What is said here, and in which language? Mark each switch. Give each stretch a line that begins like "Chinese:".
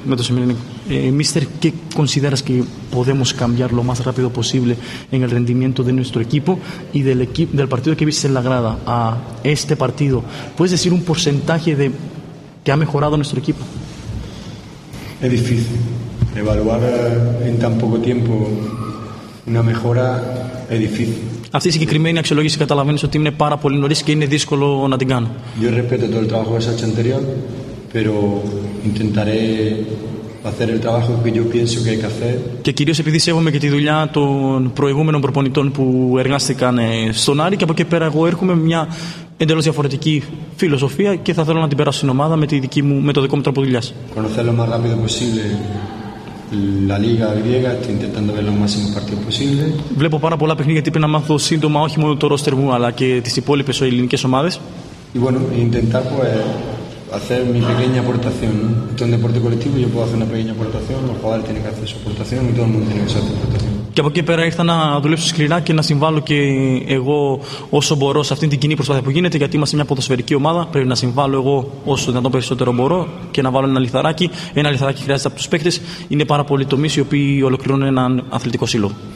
Spanish: Mister, ¿qué consideras que podemos cambiar lo más rápido posible en el rendimiento de nuestro equipo y del partido que viste en la grada a este partido? ¿Puedes decir un porcentaje de que ha mejorado nuestro equipo? Es difícil. Evaluar en tan poco tiempo una mejora es difícil.
Greek: Αυτή η συγκεκριμένη αξιολόγηση καταλαβαίνεις ότι είναι πάρα πολύ νωρίς και είναι δύσκολο να την κάνω.
Spanish: Yo respeto todo el trabajo que has hecho anterior, pero intentaré hacer el trabajo que yo pienso que hay que hacer.
Greek: Και κυρίως επειδή σέβομαι και τη δουλειά των προηγούμενων προπονητών που εργάστηκαν στον Άρη και από εκεί πέρα εγώ έρχομαι με μια εντελώς διαφορετική φιλοσοφία και θα θέλω να την περάσω στην ομάδα με το δικό μου τρόπο δουλειάς.
Spanish: Conocer lo más rápido posible la Liga griega, estoy intentando ver los máximos partidos posibles.
Greek: Βλέπω πάρα πολλά παιχνίδια γιατί πρέπει να μάθω σύντομα όχι μόνο το roster μου αλλά και τις υπόλοιπες ελληνικές ομάδες.
Spanish: Y bueno, intentar hacer mi pequeña aportación, ¿no? Esto es un deporte colectivo, yo puedo hacer una pequeña aportación, los jugadores tienen que hacer su aportación y todo el mundo tiene que hacer su aportación.
Greek: Και από εκεί πέρα ήρθα να δουλέψω σκληρά και να συμβάλλω και εγώ όσο μπορώ σε αυτήν την κοινή προσπάθεια που γίνεται, γιατί είμαστε μια ποδοσφαιρική ομάδα. Πρέπει να συμβάλλω εγώ όσο δυνατόν περισσότερο μπορώ και να βάλω ένα λιθαράκι. Ένα λιθαράκι χρειάζεται από τους παίκτες. Είναι πάρα πολλοί τομείς οι οποίοι ολοκληρώνουν έναν αθλητικό σύλλογο.